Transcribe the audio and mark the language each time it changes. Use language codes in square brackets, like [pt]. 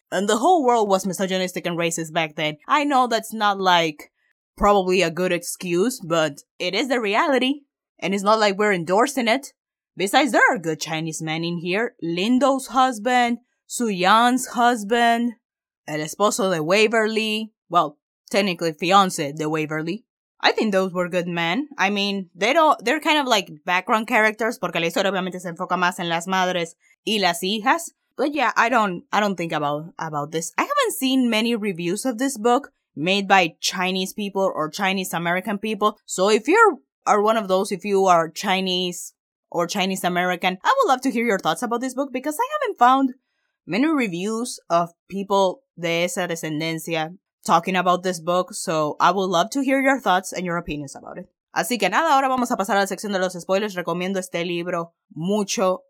[en] And the whole world was misogynistic and racist back then. I know that's not, like, probably a good excuse, but it is the reality. And it's not like we're endorsing it. Besides, there are good Chinese men in here. Lindo's husband, Su Yan's husband, [es] El Esposo de Waverly. [en] Well, technically, fiance de Waverly. I think those were good men. I mean, they're kind of like background characters, [es] porque la historia obviamente se enfoca más en las madres y las hijas. [en] But yeah, I don't think about this. I haven't seen many reviews of this book made by Chinese people or Chinese American people. So if you're one of those, if you are Chinese or Chinese American, I would love to hear your thoughts about this book because I haven't found many reviews of people [es] de esa descendencia [en] talking about this book, so I would love to hear your thoughts and your opinions about it. [es] Así que nada, ahora vamos a pasar a la sección de los spoilers. Recomiendo este libro mucho.